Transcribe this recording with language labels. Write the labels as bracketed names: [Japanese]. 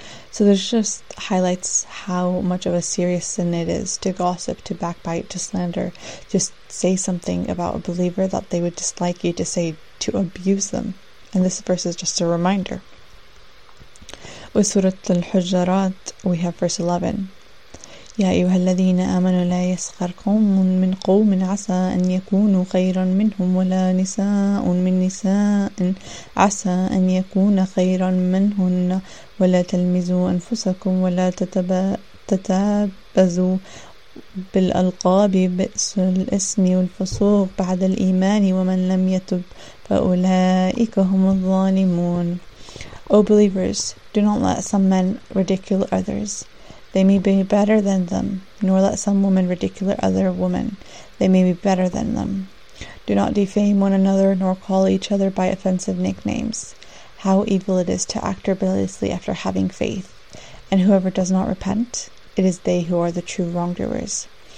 [English] So this just highlights how much of a serious sin it is to gossip, to backbite, to slander, just say something about a believer that they would dislike you to say, to abuse them. And this verse is just a reminder. With Surah Al-Hujarat, we have verse 11. [Arabic] يَا أَيُّهَا الَّذِينَ آمَنُوا لَا يَسْخَرْ قَوْمٌ مِّن قَوْمٍ عَسَىٰ أَن يَكُونُوا خَيْرًا مِّنْهُمْ وَلَا نِسَاءٌ مِّن نِسَاءٍ عَسَىٰ أَن يَكُونَ خَيْرًا مِّنْهُنَّ وَلَا تَلْمِزُوا أَنفُسَكُمْ وَلَا تَتَبَازَوْا بِالْأَلْقَابِ بِئْسَ الِاسْمُ وَالْفُسُوقُ بَعْدَ الْإِيمَانِ وَمَن لَّمْ يَتُبْ فَأُولَٰئِكَ هُمُ الظَّالِمُونَ. [English] O believers, do not let some men ridicule others. They may be better than them, nor let some woman ridicule other woman. They may be better than them. Do not defame one another, nor call each other by offensive nicknames. How evil it is to act rebelliously after having faith. And whoever does not repent, it is they who are the true wrongdoers.